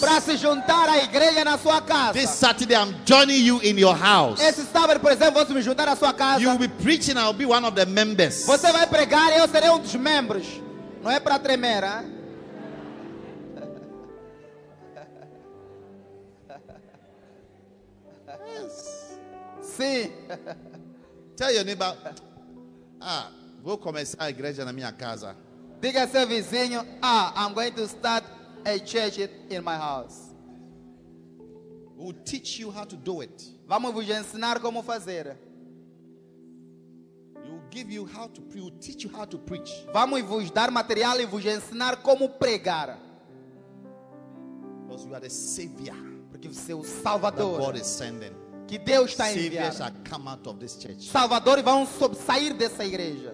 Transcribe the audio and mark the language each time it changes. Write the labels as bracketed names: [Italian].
[Portuguese] Para se juntar à igreja na sua casa. [English] This Saturday I'm joining you in your house. [Portuguese] Esse sábado, por exemplo, vou me juntar à sua casa. [English] You will be preaching. I'll be one of the members. [Portuguese] Você vai pregar e eu serei um dos membros. Não é para tremer, hein? [English] Yes. [Portuguese] Sim. [English] Tell your neighbor, [Portuguese] vou começar a igreja na minha casa. Diga a seu vizinho, [English] I'm going to start a church in my house. We'll teach you how to do it. [Portuguese] Vamos vos ensinar como fazer. [English] We'll give you how to preach. We'll teach you how to preach. [Portuguese] Vamos vos dar material e vos ensinar como pregar. [English] Because you are the savior. [Portuguese] Porque você é o Salvador. [English] That God is sending. [Portuguese] Que Deus está enviando. Salvadores vão sair dessa igreja.